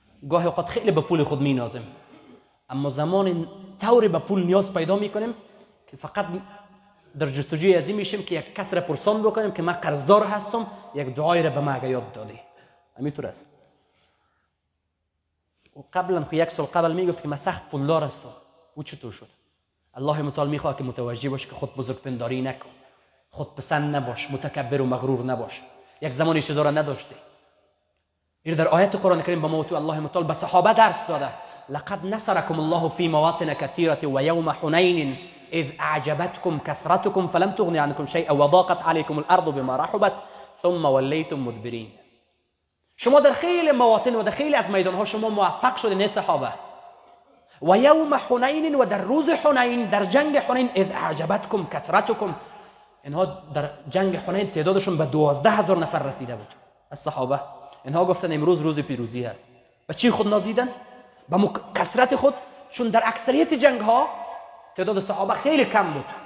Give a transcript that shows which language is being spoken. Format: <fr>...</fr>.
<fa>گاهی اوقات خیلی به پول خود مینازیم، اما زمان طوری به پول نیاز پیدا میکنیم که فقط در جستجوی ازی میشیم که یک کس را پرسان بکنیم که من قرضدار هستم، یک دعای را به ما اگه یاد دادی. همینطور است. و قبلا خو یک سال قبل میگفت که من سخت پولدار هستم، او چطور شد؟ الله متعال میخواه که متوجه باشه که خود بزرگ پنداری نکن، خود پسند نباش، متکبر و مغرور نباش. یک زمانی چیزا را نداشتی، این در آیات قرآن کریم به موضوع الله متعال به صحابه درس داده</fa> <ar>لقد نصركم الله في مواطن كثيرة ويوم حنين إذ أعجبتكم كثرتكم فلم تغن عنكم شيئا وضاقت عليكم الأرض بما رحبت ثم وليتم مدبرين.</ar> <fa>شما در خیلی مواطن و در خیلی از میدان‌ها شما موفق شدین صحابه. و یوم حنین و در روز حنین در جنگ حنین</fa> <ar>اذ اعجبتكم كثرتكم</ar> <fa>اینها در جنگ حنین تعدادشون به 12000 نفر رسیده بود. از صحابه اینها گفتن امروز روز پیروزی است. و چی خود نازیدن؟ به کثرت خود چون در اکثریت جنگ‌ها تعداد صحابه خیلی کم بود.</fa>